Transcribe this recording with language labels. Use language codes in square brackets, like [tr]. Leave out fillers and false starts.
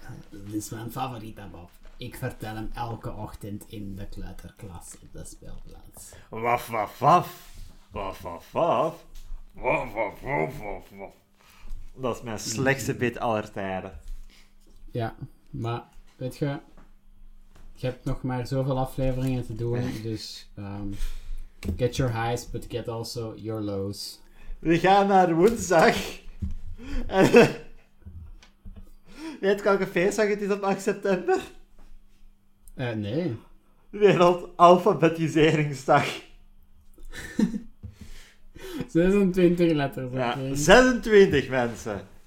[nl] Dat is mijn favoriete mop. Ik vertel hem elke ochtend in de kleuterklas op de speelplaats. Waf, waf, waf. Waf, waf, waf. Waf, waf, waf, waf, waf. Dat is mijn slechtste bit aller tijden. Ja, maar weet je... Je hebt nog maar zoveel afleveringen te doen, dus... [en] get your highs, but get also your lows. [nl] We gaan naar woensdag. Weet je welke feestdag het is op 8 september? Nee. Wereldalfabetiseringsdag. 26 letters. Ja, 26 mensen.